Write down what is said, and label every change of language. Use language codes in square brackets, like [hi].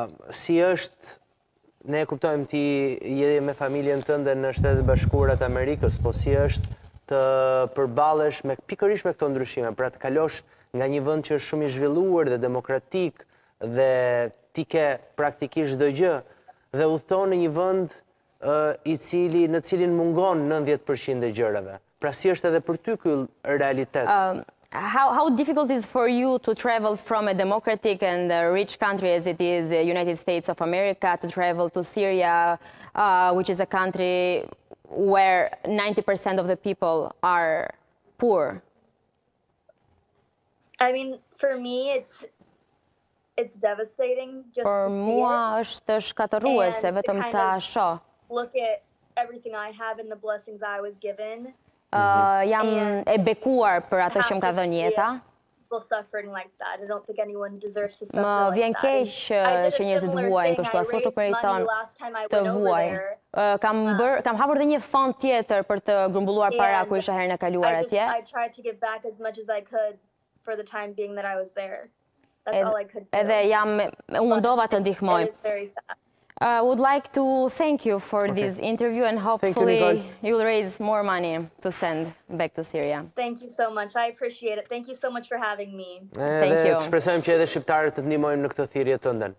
[sq] Si është, ne e kuptojmë ti je me familjen tënde në Shtetet e Bashkuara të Amerikës, po si është të përballesh me pikërisht me këto ndryshime, pra të kalosh nga një vend që është shumë i zhvilluar dhe demokratik dhe ti ke praktikisht çdo gjë dhe udhëton në një vend i cili në cilin mungon 90% e gjërave. Pra si është edhe për ty ky realitet? [en] How difficult is for you to travel from a democratic and a rich country as it is the United States of America to travel to Syria, which is a country where 90% of the people are poor? I mean, for me, it's devastating just to see it. [sq] Për mua është shkatërruese vetëm ta shoh. [en] Look at everything I have and the blessings I was given. [sq] Jam e bekuar për atë që më ka dhënë jeta. Më vjen keq që njerëzit vuajnë kështu, as kushtu meriton të vuaj. Kam hapur dhe një fond tjetër për të grumbulluar para ku isha herën e kaluar atje. Edhe jam mundova të ndihmoj. [en] Would like to thank you for this interview and hopefully you'll raise more money to send back to Syria. Thank you so much. I appreciate it. Thank you so much for having me. Thank you. [sq] Shpresojmë që edhe shqiptarët të ndihmojmë në këtë thirrje tënde.